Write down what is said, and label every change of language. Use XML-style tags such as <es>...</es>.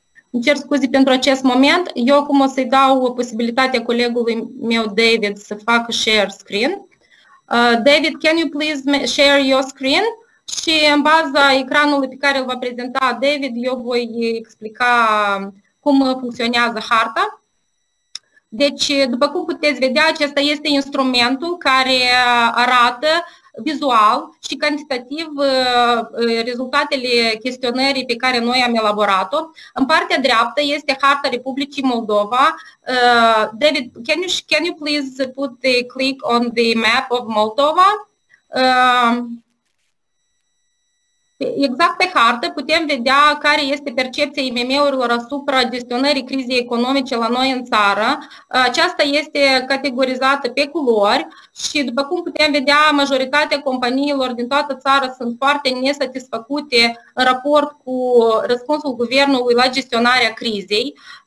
<ro>Îmi cer scuze pentru acest moment. Eu acum o să-i dau posibilitatea colegului meu, David, să facă share screen.</ro> <en>David, can you please share your screen?</en> <ro>Și în baza ecranului pe care îl va prezenta David, eu voi explica cum funcționează harta. Deci, după cum puteți vedea, acesta este instrumentul care arată vizual și cantitativ rezultatele chestionării pe care noi am elaborat-o. În partea dreaptă este harta Republicii Moldova.</ro> <en>David, can you please put the click on the map of Moldova?</en> <ro>Exact pe hartă putem vedea care este percepția IMM-urilor asupra gestionării crizei economice la noi în țară. Aceasta este categorizată pe culori și, după cum putem vedea, majoritatea companiilor din toată țara sunt foarte nesatisfăcute în raport cu răspunsul guvernului la gestionarea crizei.</ro>